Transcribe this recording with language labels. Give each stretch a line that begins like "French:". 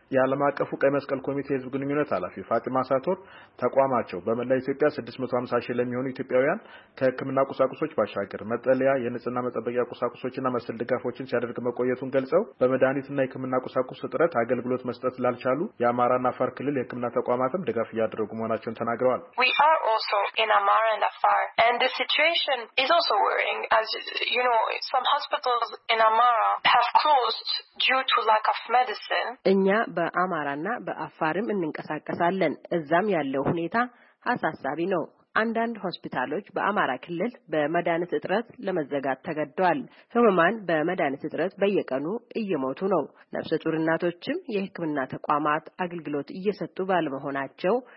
Amharic: የዓለም አቀፉ ቀይ መስቀል ኮሚቴ የህዝብ ግንኙነት ኃላፊ ፋጢማ ሳቶር ተቋማቸው በመላ ኢትዮጵያ 650 ሺህ ለሚሆኑ ኢትዮጵያውያን ከህክምና ቁሳቁሶች ባሻገር መጠለያ፣ የንጽህና መጠበቂያ ቁሳቁሶችና መሰል ድጋፎችን ሲያደርግ መቆየቱን ገልጸው በመድኃኒትና የህክምና ቁሳቁስ እጥረት አገልግሎት መስጠት ላልቻሉ የአማራና አፋር ክልል የህክምና ተቋማትም ድጋፍ እያደረጉ መሆናቸውን ተናግረዋል።
English: We are also in Amara and Afar and the situation is also worrying. As you know, some hospitals in Amara have closed due to lack of medicine.
Amharic: እኛ በአማራና በአፋርም እንንቀሳቀሳለን። እዛም ያለው ሁኔታ አሳሳቢ ነው። አንዳንድ ሆስፒታሎች በአማራ ክልል በመድኃኒት እጥረት ለመዘጋት ተገደዋል። ህመማን በመድኃኒት እጥረት በየቀኑ እየሞቱ ነው። ነፍሰ ጡር እናቶችም የህክምና ተቋማት አገልግሎት እየሰጡ ባለመሆናቸው